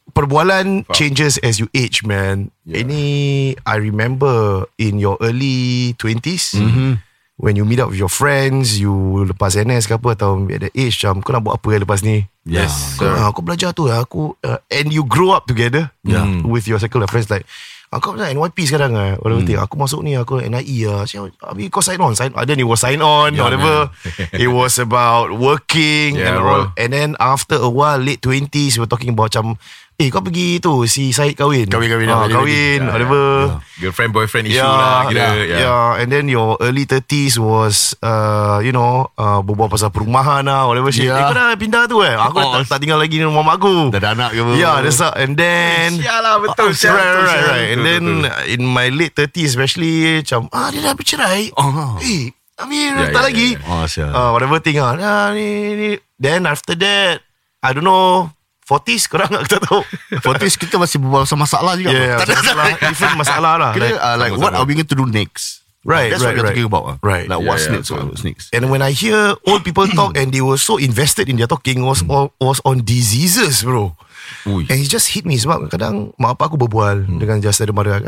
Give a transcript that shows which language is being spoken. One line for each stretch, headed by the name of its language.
Malay: Perbualan
English: changes as you age, man. Yeah. Ini, I remember in your early 20s. When you meet up with your friends, you
Malay: lepas NS ke apa, atau
English: at the age,
Malay: macam, kau nak buat apa lepas ni?
English: Yes.
Malay: Aku belajar tu.
English: Aku and you grow up together with your circle of friends.
Malay: Like, aku macam NYP sekarang lah. Aku masuk ni, aku NIE lah. Habis kau
English: sign on. Then it was sign on, yeah, whatever. It was about working. Yeah, and then after a while, late 20s, we were talking about
Malay: macam, kau pergi tu, si Syed kahwin. Kahwin,
English: whatever. Girlfriend, boyfriend issue lah. Yeah. And then your early 30s was,
Malay: berbual pasal perumahan lah,
English: whatever shit.
Malay: Kau dah pindah tu eh? Aku tak tinggal lagi ni rumah mak aku. Dah ada anak ke?
English: Yeah, that's up. And then,
Malay: sialah, betul.
English: Right. And then, in my late 30s especially, macam,
Malay: dia dah bercerai. Tak lagi.
English: Whatever thing
Malay: lah.
English: Then after that, I don't know, 40s korang tak tahu.
Malay: 40s kita masih berbual sama masalah juga. Different masalah lah.
English: Like what are we going to do next? Right, that's what we're talking about. Like what's next? What's next? And when I hear old people talk and they were so invested in their talking was on diseases, bro. Uy. And it just hit me.
Malay: Sebab kadang mak apa aku berbual dengan just ada mara.